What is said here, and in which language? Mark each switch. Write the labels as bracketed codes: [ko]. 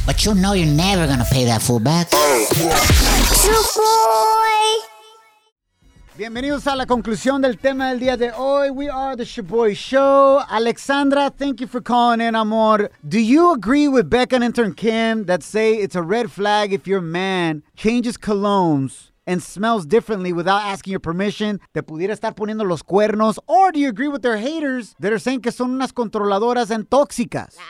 [en] But you know you're never gonna pay that fool back. Shaboy. [es] Bienvenidos a la conclusión del tema del día de hoy. [en] We are the Shaboy Show. Alexandra, thank you for calling in, [es] amor. [en] Do you agree with Becca and intern Kim that say it's a red flag if your man changes colognes and smells differently without asking your permission? [es] ¿Te pudiera estar poniendo los cuernos? [en] Or do you agree with their haters that are saying [es] que son unas controladoras [en] and tóxicas?